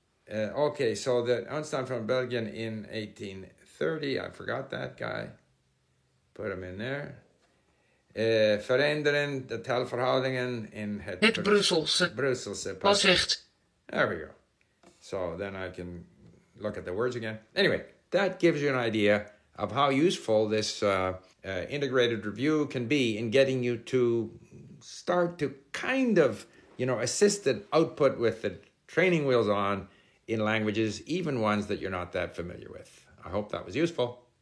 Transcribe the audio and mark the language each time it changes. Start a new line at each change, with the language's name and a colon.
English: Okay, so the Einstein from Belgium in 1830, I forgot that guy. Put him in there.
Dutch: Veranderen de taalverhoudingen in het Brusselse. Brusselse. Pas echt.
English: There we go. So then I can look at the words again. Anyway, that gives you an idea of how useful this integrated review can be in getting you to start to kind of, assisted output with the training wheels on in languages, even ones that you're not that familiar with. I hope that was useful.